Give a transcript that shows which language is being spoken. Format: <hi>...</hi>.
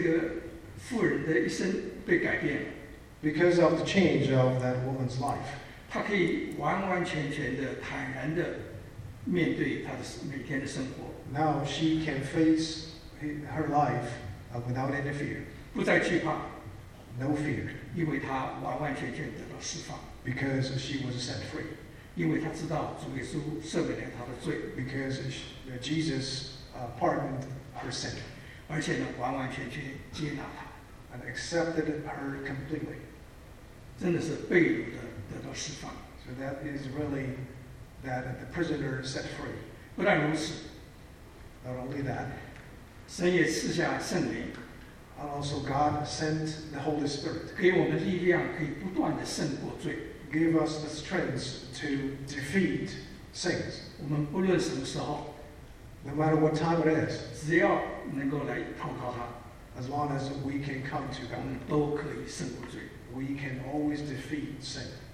<zh>就是因为这个妇人的一生被改变了。</zh> <en>Because of the change of that woman's life.</en> <zh>她可以完完全全的坦然的面对她的每天的生活。</zh> <en>Now she can face her life without any fear.</en> <zh>不再惧怕,</zh> <en>no fear.</en> <zh>因为他完完全全得到释放,</zh> <en>because she was set free.</en> <zh>因为他知道主耶稣赦免了他的罪,</zh> <en>because Jesus pardoned her sin.</en> <zh>而且呢,完完全全接纳他,</zh> <en>and accepted her completely.</en> <zh>真的是被掳的得到释放。</zh> <en>So that is really that the prisoner set free.</en> <zh>不但如此,</zh> <en>not only that,</en> <zh>神也赐下圣灵,</zh> <en>and also God sent the Holy Spirit,</en> <zh>给我们力量可以不断地胜过罪,</zh> <en>gave us the strength to defeat sins.</en> <zh>我们不论什么时候,</zh> <en>no matter what time it is,</en> <zh>只要能够来投靠他,</zh> <en>as long as we can come to God,</en> <zh>我们都可以胜过罪,</zh> <en>we can always defeat sin.</en>